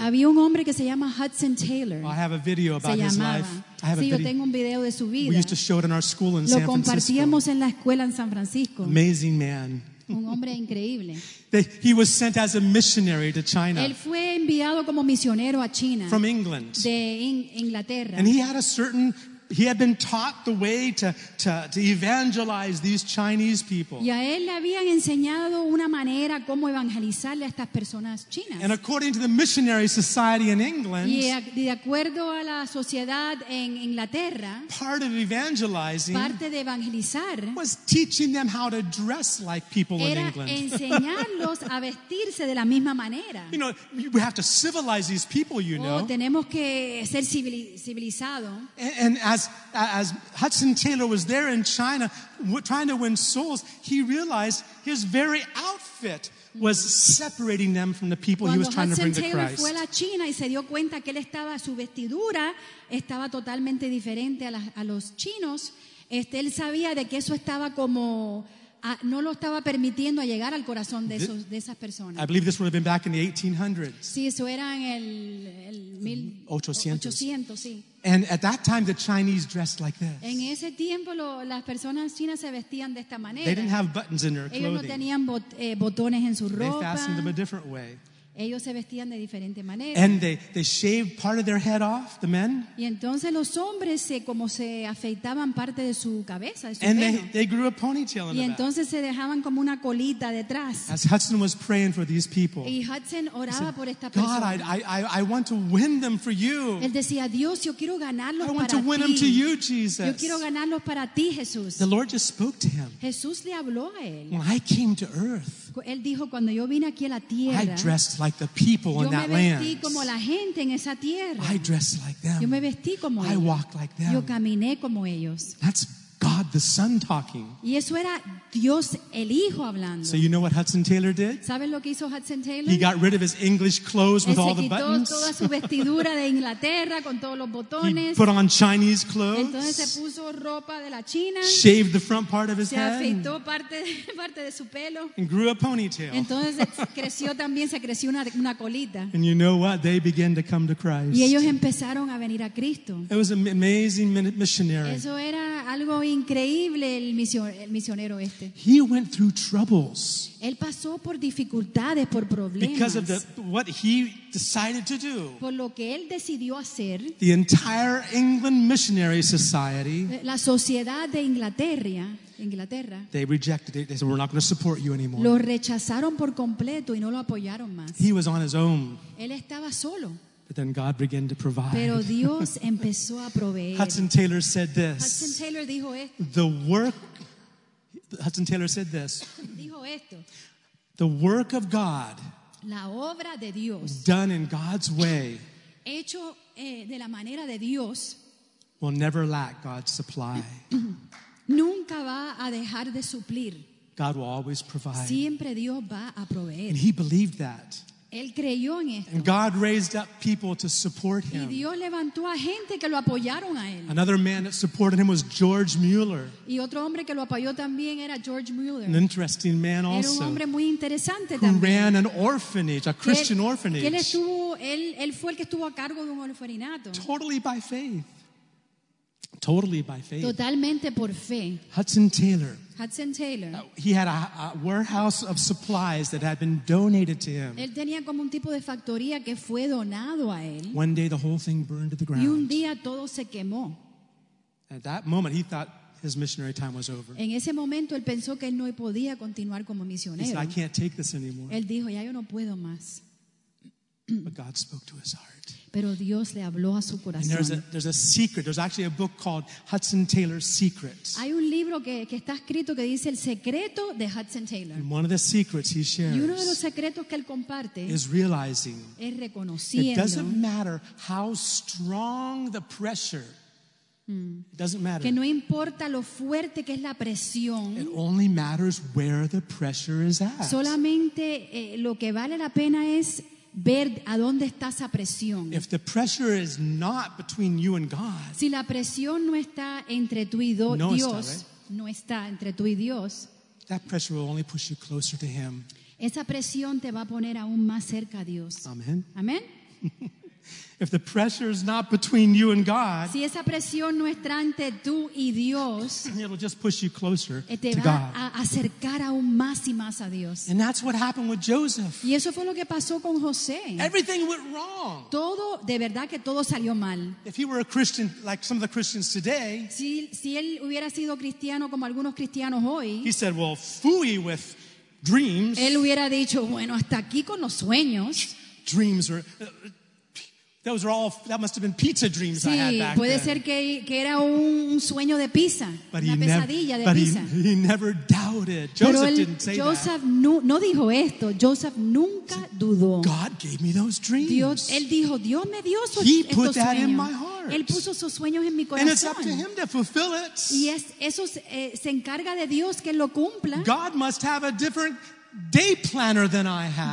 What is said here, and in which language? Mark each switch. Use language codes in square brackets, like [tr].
[es] Había un hombre que se llama Hudson Taylor. [en] I have a video about his life. I have [es] sí, [en] a video. [es] Yo tengo un video de su vida. [en] We used to show it in our school in [es] Lo [en] San Francisco. [es] Compartíamos en la escuela en San Francisco. [en] Amazing man. [es] Un hombre increíble. [en] He was sent as a missionary to China. [es] Él fue enviado como misionero a China. [en] From England. [es] De Inglaterra. [en] And he had a certain... He had been taught the way to evangelize these Chinese people. [es] Y a él le habían enseñado una manera cómo evangelizarle a estas personas chinas. [en] And according to the missionary society in England, [es] y de acuerdo a la sociedad en Inglaterra, [en] part of evangelizing, [es] parte de evangelizar, [en] was teaching them how to dress like people [es] era [en] in England. [es] Era enseñarlos a vestirse de la misma manera. [en] You know, we have to civilize these people. You know, [es] tenemos que ser civilizado. [en] As Hudson Taylor was there in China trying to win souls, he realized his very outfit was separating them from the people [es] Cuando [en] he was trying [es] Hudson [en] to bring [es] Taylor [en] to Christ. [es] Fue a la China y se dio cuenta que él estaba, su vestidura estaba totalmente diferente a los chinos. Él sabía de que eso estaba como no lo estaba permitiendo a llegar al corazón de esos, de esas personas. [en] I believe this would have been back in the 1800s. [es] Sí, eso era en el 1800, sí. [en] And at that time, the Chinese dressed like this. [es] En ese tiempo, las personas chinas se vestían de esta manera. [en] They didn't have buttons in their clothing. [es] Ellos no tenían botones en su ropa. [en] They fastened them a different way. [es] Ellos se vestían de diferente manera. [en] And they shaved part of their head off, the men. [es] Y entonces los hombres se afeitaban parte de su cabeza, de su pelo. [en] And they grew a ponytail in the back. [es] Y entonces se dejaban como una colita detrás. [en] As Hudson was praying for these people. [es] Y Hudson oraba [en] said, [es] por esta [en] God, [es] persona. [en] God, I want to win them for you. [es] Él decía, Dios, yo quiero ganarlos para ti. [en] I want to win them to you, Jesus. [es] Yo quiero ganarlos para ti, Jesús. [en] The Lord just spoke to him. [es] Jesús le habló a él. [en] When I came to earth, [es] él dijo, cuando yo vine aquí a la tierra, [en] I dressed like the people in that land. [es] Yo me vestí como la gente en esa tierra. [en] I dressed like them. [es] Yo me vestí como ellos. [en] I walked like them. [es] Yo caminé como ellos. [en] That's God the Son talking. [es] Y eso era Dios el Hijo hablando. [en] So you know what Hudson Taylor did? [es] ¿Sabes lo que hizo Hudson Taylor? [en] He got rid of his English clothes with all the buttons. [es] Él se quitó toda su vestidura de Inglaterra con todos los botones. [en] He put on Chinese clothes. [es] Entonces se puso ropa de la China. [en] Shaved the front part of his head. [es] Se afeitó parte de su pelo. [en] And grew a ponytail. [es] Entonces creció también, se creció una colita. [en] And you know what? They began to come to Christ. [es] Y ellos empezaron a venir a Cristo. [en] It was an amazing missionary. [es] Eso era algo increíble, el misionero este. [en] He went through troubles. [es] Él pasó por dificultades, por problemas. [en] Because of what he decided to do. [es] Por lo que él decidió hacer. [en] The entire England Missionary Society. [es] La sociedad de Inglaterra. [en] They rejected it. They said, "We're not going to support you anymore." [es] Lo rechazaron por completo y no lo apoyaron más. [en] He was on his own. [es] Él estaba solo. [en] But then God began to provide. [es] Pero Dios empezó a proveer. [en] Hudson Taylor said this. [es] Hudson Taylor dijo esto. [en] The work. Hudson Taylor said this. [es] Dijo esto. [en] The work of God. [es] La obra de Dios. [en] Done in God's way. [es] Hecho de la manera de Dios. [en] Will never lack God's supply. [es] Nunca va a dejar de suplir. [en] God will always provide. [es] Siempre Dios va a proveer. [en] And he believed that. [es] Él creyó en esto. [en] And God raised up people to support him. [es] Y Dios levantó a gente que lo apoyaron a él. [en] Another man that supported him was George Mueller. [es] Y otro hombre que lo apoyó también era George Mueller. [en] An interesting man also. [es] Era un hombre muy interesante [en] who [es] también. [en] Ran an orphanage, a Christian orphanage. [es] Él fue el que estuvo a cargo de un orfanato. [en] Totally by faith. Totally by faith. [es] Totalmente por fe. [en] Hudson Taylor. He had a warehouse of supplies that had been donated to him. [es] Él tenía como un tipo de factoría que fue donado a él. [en] One day the whole thing burned to the ground. [es] Y un día todo se quemó. [en] At that moment he thought his missionary time was over. [es] En ese momento él pensó que él no podía continuar como misionero. [en] He said, "I can't take this anymore." [es] Él dijo, "Ya yo no puedo más." [en] But God spoke to his heart. [es] Pero Dios le habló a su corazón. [en] And there's a secret. There's actually a book called Hudson Taylor's Secret. [es] Hay un libro que está escrito que dice el secreto de Hudson Taylor. [en] And one of the secrets he shares. [es] Y uno de los secretos que él comparte [en] is realizing. [es] Es reconociendo. [en] It doesn't matter how strong the pressure. It doesn't matter. [es] Que no importa lo fuerte que es la presión. [en] It only matters where the pressure is at. [es] Solamente lo que vale la pena es ver a dónde está esa presión. [en] If the pressure is not between you and God, [es] si la presión no está entre tú y Dios, [en] that pressure will only push you closer to him. [es] Esa presión te va a poner aún más cerca a Dios. [en] Amen. [es] Amen. [en] If the pressure is not between you and God, [es] si esa presión no está entre tú y Dios, [en] it'll just push you closer [es] te [en] to [es] va [en] God. [es] A acercar aún más y más a Dios. [en] And that's what happened with Joseph. [es] Y eso fue lo que pasó con José. [en] Everything went wrong. [es] Todo, de verdad que todo salió mal. [en] If he were a Christian like some of the Christians today, [es] si él hubiera sido cristiano como algunos cristianos hoy, [en] he said, well, fooey with dreams. [es] Él hubiera dicho, bueno, hasta aquí con los sueños. [en] Dreams were... Those are all. That must have been pizza dreams [es] sí, [en] I had back then. [es] Sí, puede ser que era un sueño de pizza, [en] but [es] una pesadilla de pizza. [en] But he never doubted. Joseph [es] él, [en] didn't say [es] Joseph [en] that. [es] No dijo esto. Joseph nunca so, dudó. [en] God gave me those dreams. [es] Dios, él dijo, Dios me dio esos sueños. [en] He put that [es] sueños. [en] In my heart. [es] Él puso sus sueños en mi corazón. [en] And it's up to him to fulfill it. [es] Y es eso se encarga de Dios que lo cumpla. [en] God must have a different day planner than I have.